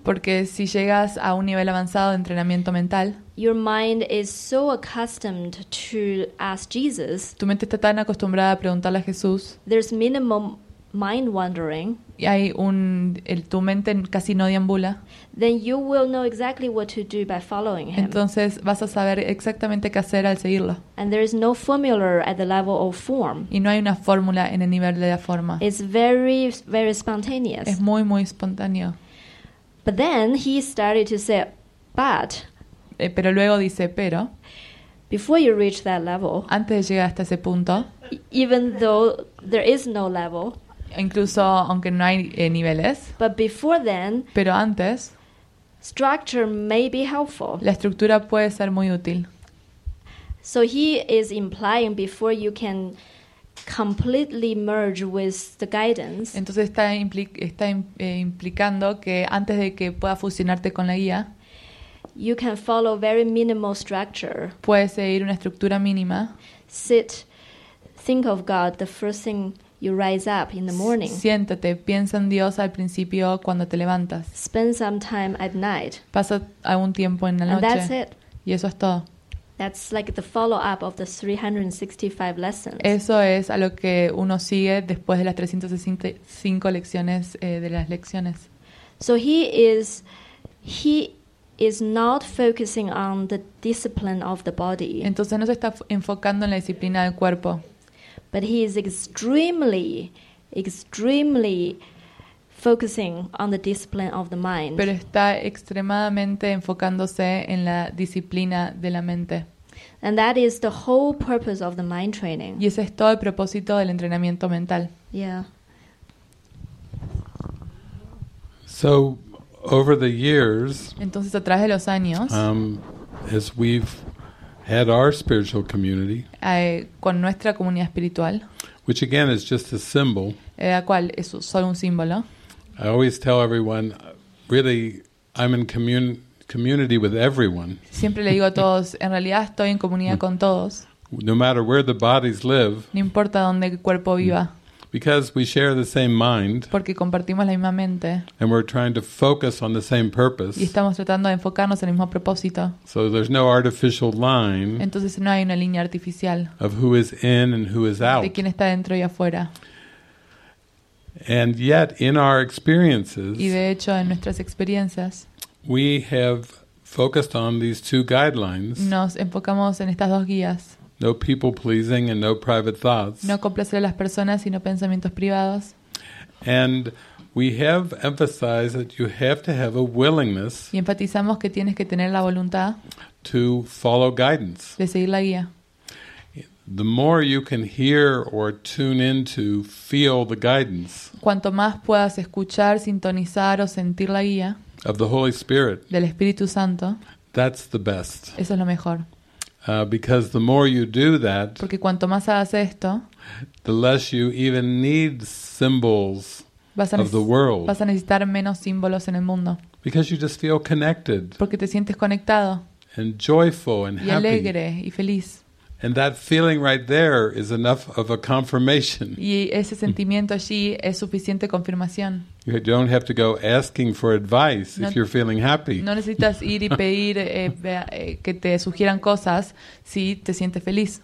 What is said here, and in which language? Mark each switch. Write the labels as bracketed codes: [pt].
[es] porque si llegas a un nivel avanzado de entrenamiento mental, [en] your mind is so accustomed to ask Jesus, [es] tu mente está tan acostumbrada a preguntarle a Jesús, [en] there's minimum mind wandering, [es] y hay tu mente casi no deambula, [en] then you will know exactly what to do by following him. [es] Entonces vas a saber exactamente qué hacer al seguirlo. [en] And there is no formula at the level of form. [es] Y no hay una fórmula en el nivel de la forma. [en] It's very, very spontaneous. [es] Es muy, muy espontáneo. [en] But then he started to say, but. [es] Pero luego dice, pero. [en] Before you reach that level. [es] Antes de llegar hasta ese punto. [en] Even though there is no level. [es] Incluso aunque no hay niveles. [en] But before then, [es] pero antes, [en] structure may be helpful. [es] La estructura puede ser muy útil. [en] So he is implying before you can completely merge with the guidance. [es] Entonces está implicando que antes de que pueda fusionarte con la guía, [en] you can follow very minimal structure. [es] Puedes seguir una estructura mínima. [en] Sit, think of God the first thing. You rise up in the morning. [es] Siéntate, piensa en Dios al principio cuando te levantas. [en] Spend some time at night. [es] Pasa algún tiempo en la [en] and [es] noche. [en] That's it. [es] Y eso es todo. [en] That's like the follow-up of the 365 lessons. [es] Eso es a lo que uno sigue después de las 365 lecciones de las lecciones. [en] So he is not focusing on the discipline of the body. [es] Entonces no se está enfocando en la disciplina del cuerpo. [en] But he is extremely, extremely focusing on the discipline of the mind. [es] Pero está extremadamente enfocándose en la disciplina de la mente. [en] And that is the whole purpose of the mind training. [es] Y ese es todo el propósito del entrenamiento mental. [en] Yeah. So, over the years, [es] entonces a través de los años, [en] as we've had our spiritual community, [es] con nuestra comunidad espiritual, [en] which again is just a symbol, [es] la cual es solo un símbolo. [en] I always tell everyone, really, I'm in community with everyone. [es] Siempre le digo a todos, en realidad estoy en comunidad con todos. [en] No matter where the bodies live, [es] no importa dónde el cuerpo viva, [en] because we share the same mind, [es] porque compartimos la misma mente, [en] and we're trying to focus on the same purpose, [es] y estamos tratando de enfocarnos en el mismo propósito. [en] So there's no artificial line. [es] Entonces no hay una línea artificial [en] of who is in and who is out. [es] De quién está dentro y afuera. [en] And yet, in our experiences, [es] y de hecho en nuestras experiencias, [en] we have focused on these two guidelines. [es] Nos enfocamos en estas dos guías. [en] No people pleasing and no private thoughts. [es] No complacer a las personas y no pensamientos privados. [en] And we have emphasized that you have to have a willingness. [es] Y enfatizamos que tienes que tener la voluntad. [en] To follow guidance. [es] De seguir la guía. [en] The more you can hear or tune into, feel the guidance. [es] Cuanto más puedas escuchar, sintonizar o sentir la guía. [en] Of the Holy Spirit. [es] Del Espíritu Santo. [en] That's the best. [es] Eso es lo mejor. [en] Because the more you do that. [es] Porque cuanto más hagas esto. [en] The less you even need symbols of the world. [es] Vas a necesitar menos símbolos en el mundo. [en] Because you just feel connected. [es] Porque te sientes conectado. [en] And joyful and happy. [es] Y alegre y feliz. [en] And that feeling right there is enough of a confirmation. [es] Y ese sentimiento allí es suficiente confirmación. [en] You don't have to go asking for advice if you're feeling happy. [es] No necesitas ir y pedir que te sugieran cosas si te sientes feliz.